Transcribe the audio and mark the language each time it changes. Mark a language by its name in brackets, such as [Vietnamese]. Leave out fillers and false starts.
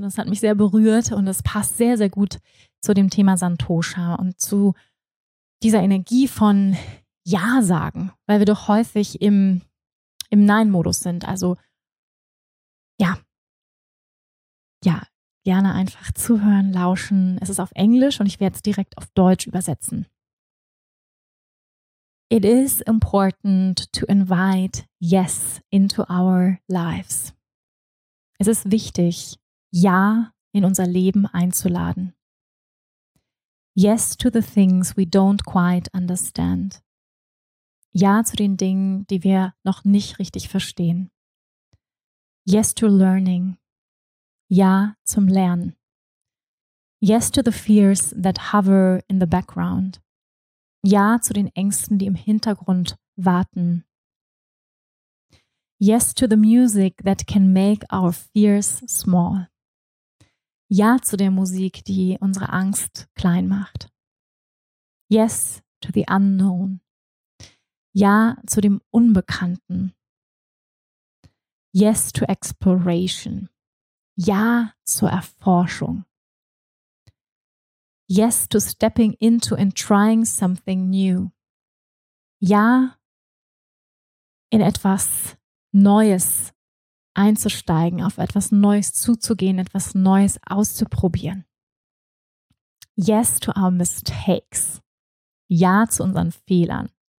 [German] Und es hat mich sehr berührt und es passt sehr, sehr gut zu dem Thema Santosha und zu dieser Energie von Ja sagen, weil wir doch häufig im Nein-Modus sind. Also ja, gerne einfach zuhören, lauschen. Es ist auf Englisch und ich werde es direkt auf Deutsch übersetzen. [English] It is important to invite yes into our lives. [German] Es ist wichtig, Ja in unser Leben einzuladen. [English] Yes to the things we don't quite understand. [German] Ja zu den Dingen, die wir noch nicht richtig verstehen. [English] Yes to learning. [German] Ja zum Lernen. [English] Yes to the fears that hover in the background. [German] Ja zu den Ängsten, die im Hintergrund warten. [English] Yes to the music that can make our fears small. [German] Ja zu der Musik, die unsere Angst klein macht. [English] Yes to the unknown. [German] Ja zu dem Unbekannten. [English] Yes to exploration. [German] Ja zur Erforschung. [English] Yes to stepping into and trying something new. [German] Ja, in etwas Neues einzusteigen, auf etwas Neues zuzugehen, etwas Neues auszuprobieren. [English] Yes to our mistakes. [German] Ja zu unseren Fehlern.